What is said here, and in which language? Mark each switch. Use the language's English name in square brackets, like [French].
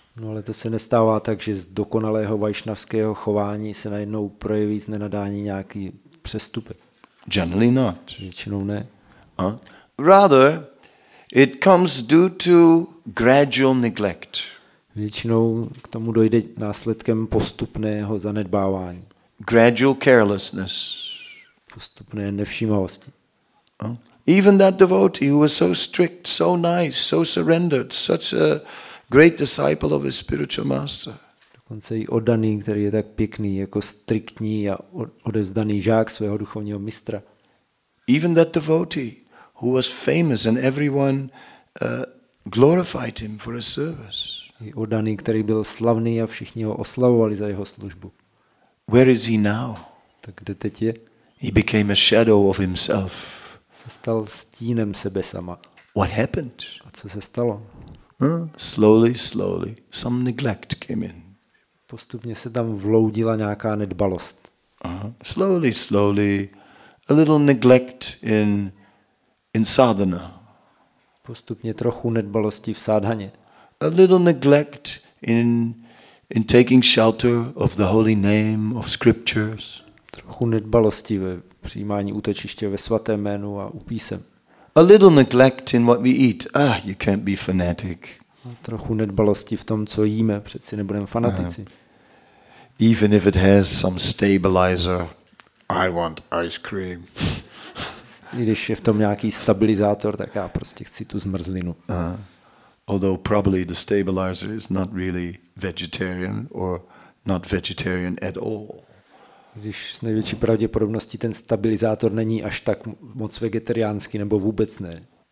[Czech] No, ale to se nestává tak, že z dokonalého vaishnavského chování se najednou projeví znenadání nějaký přestupek. [English] Generally not. [Czech] Většinou ne. [English] Rather it comes due to gradual neglect. [Czech] Většinou k tomu dojde následkem postupného zanedbávání. [English] gradual carelessness. [Czech] Postupné nevšímavosti. [English] Even that devotee who was so strict, so nice, so surrendered, such a great disciple of his spiritual master. [Czech] Dokonce i oddaný, který je tak pěkný, jako striktní a odevzdaný žák svého duchovního mistra. [English] Even that devotee who was famous and everyone glorified him for his service. [Czech] I oddaný, který byl slavný a všichni ho oslavovali za jeho službu. [English] Where is he now? [Czech] Tak kde teď je? [English] He became a shadow of himself. [Czech] Se stal stínem sebe sama. [English] What happened? [Czech] A co se stalo? [English] Slowly, some neglect came in. [Czech] Postupně se tam vloudila nějaká nedbalost. [English] Slowly, a little neglect in sadhana. [Czech] Postupně trochu nedbalosti v sádhaně. [English] A little neglect in taking shelter of the holy name of scriptures. [Czech] Trochu nedbalosti ve přijímání útočiště ve svatém jménu a u písem. [English] A little neglect in what we eat. You can't be fanatic. [Czech] A trochu nedbalosti v tom, co jíme, přeci nebudeme fanatici. [English] Even if it has some stabilizer, I want ice cream. [Czech] I když je v tom nějaký stabilizátor, tak já prostě chci tu zmrzlinu. [English] Although probably the stabilizer is not really vegetarian or not vegetarian at all. [Czech] Když s největší pravděpodobností ten stabilizátor není až tak moc vegetariánský nebo vůbec ne.